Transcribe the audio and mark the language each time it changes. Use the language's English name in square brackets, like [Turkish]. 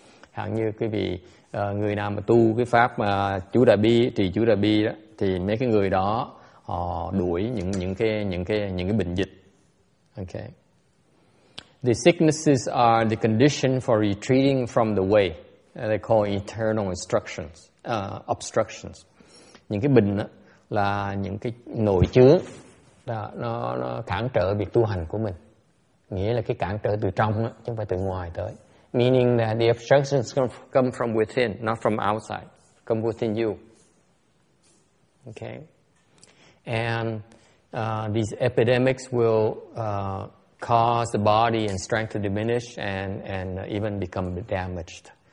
[Vietnamese] Hằng như quý vị người nào mà tu cái pháp mà chú đại bi trì chú đại bi đó, thì mấy cái người đó họ đuổi những cái bệnh dịch. [English] Okay. The sicknesses are the condition for retreating from the way. They call internal instructions, obstructions. [Vietnamese] Những cái bệnh đó là những cái nội chứa đó, nó cản trở việc tu hành của mình. Nghĩa là cái cản trở từ trong đó, chứ không phải từ ngoài tới. [English] Meaning that the obstructions come from within, not from outside. Come within you. Okay. And these epidemics will cause the body and strength to diminish and even become damaged.